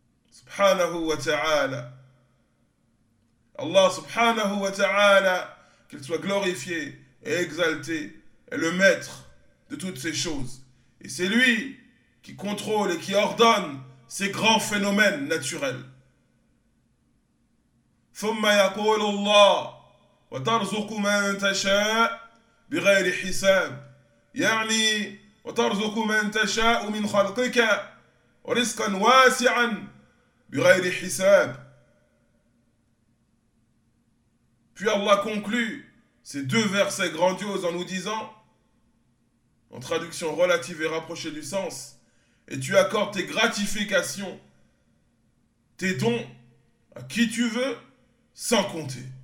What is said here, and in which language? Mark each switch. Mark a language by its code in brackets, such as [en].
[ar] Subhanahu wa ta'ala. [fr] Allah, [ar] subhanahu wa ta'ala, [fr] qu'il soit glorifié et exalté, est le maître de toutes ces choses. Et c'est lui qui contrôle et qui ordonne ces grands phénomènes naturels. [ar] ثم يقول الله وترزق من تشاء بغير حساب يعني وترزق من تشاء من خلقك رزقا واسعا بغير حساب. [fr] Puis Allah conclut ces deux versets grandioses en nous disant, en traduction relative et rapprochée du sens, et tu accordes tes gratifications, tes dons à qui tu veux sans compter.